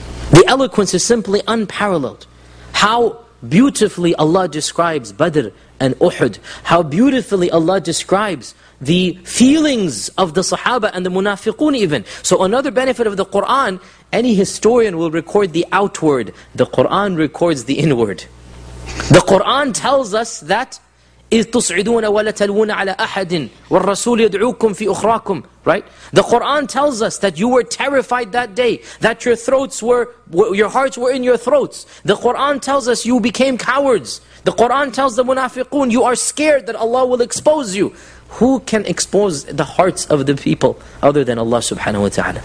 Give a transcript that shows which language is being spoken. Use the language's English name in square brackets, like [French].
[English] The eloquence is simply unparalleled. How beautifully Allah describes Badr and Uhud. How beautifully Allah describes the feelings of the Sahaba and the Munafiqun even. So another benefit of the Qur'an, any historian will record the outward. The Qur'an records the inward. The Qur'an tells us that [Arabic] إذ تصعدون ولا تلوون على أحد والرسول يدعوكم في أخراكم. [English] Right? The Quran tells us that you were terrified that day, that your throats were, your hearts were in your throats. The Quran tells us you became cowards. The Quran tells the munafiqun, you are scared that Allah will expose you. Who can expose the hearts of the people other than Allah subhanahu wa ta'ala?